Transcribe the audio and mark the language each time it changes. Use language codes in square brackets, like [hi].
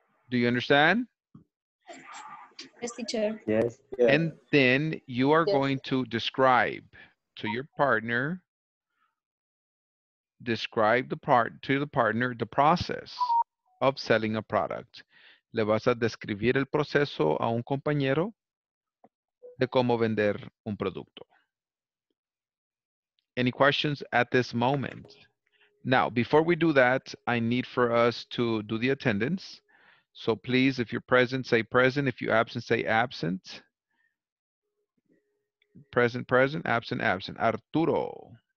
[en] Do you understand? Yes, teacher. Yes. And then you are going to describe to your partner, describe to the partner the process of selling a product. [es] Le vas a describir el proceso a un compañero de cómo vender un producto. [en] Any questions at this moment? Now, before we do that, I need for us to do the attendance. So please, if you're present, say present. If you're absent, say absent. Present, present, absent, absent. Arturo.